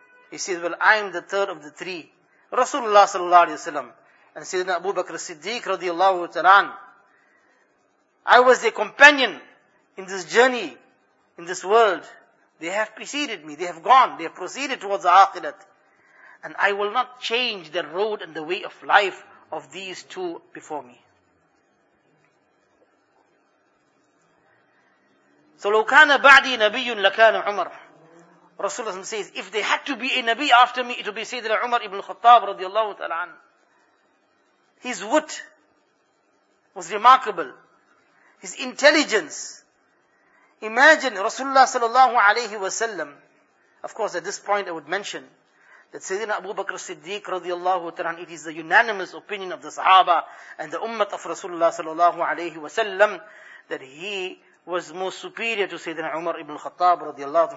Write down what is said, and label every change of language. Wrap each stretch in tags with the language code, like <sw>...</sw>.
<en>He says, well, I am the 3rd of the 3. Rasulullah sallallahu alayhi wa sallam and Sayyidina Abu Bakr Siddiq radiallahu ta'ala, I was their companion in this journey, in this world. They have preceded me, they have gone, they have proceeded towards the Akhirat. And I will not change the road and the way of life of these 2 before me. So,</en> <ar>لو كان بعدي نبي لكان عمر.</ar> <en>Rasulullah says, if there had to be a Nabi after me, it would be Sayyidina Umar ibn Khattab radiallahu ta'ala an. His wit was remarkable. His intelligence. Imagine Rasulullah sallallahu alayhi wa sallam. Of course, at this point I would mention that Sayyidina Abu Bakr Siddiq radiallahu ta'ala an, it is the unanimous opinion of the Sahaba and the Ummat of Rasulullah sallallahu alayhi wa sallam that he was most superior to Sayyidina Umar ibn Khattab radiallahu ta'ala.</en>